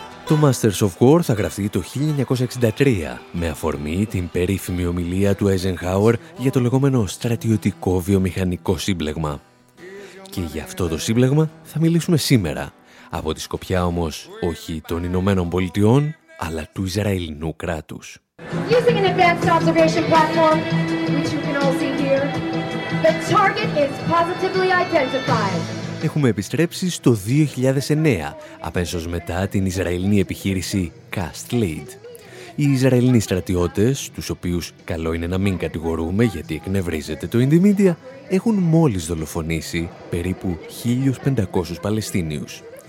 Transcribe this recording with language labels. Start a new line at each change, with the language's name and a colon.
Greek: Το Masters of War θα γραφτεί το 1963 με αφορμή την περίφημη ομιλία του Eisenhower για το λεγόμενο στρατιωτικό βιομηχανικό σύμπλεγμα. Και για αυτό το σύμπλεγμα θα μιλήσουμε σήμερα. Από τη σκοπιά όμως όχι των Ηνωμένων Πολιτειών, αλλά του Ισραηλινού κράτους.
English: Using an advanced observation platform, which you can all see here, the target is positively identified.
Greek: έχουμε επιστρέψει στο 2009, αμέσως μετά την Ισραηλινή επιχείρηση Cast Lead. Οι Ισραηλινοί στρατιώτες, τους οποίους καλό είναι να μην κατηγορούμε γιατί εκνευρίζεται το indie media, έχουν μόλις δολοφονήσει περίπου 1.500 Παλαιστίνιους.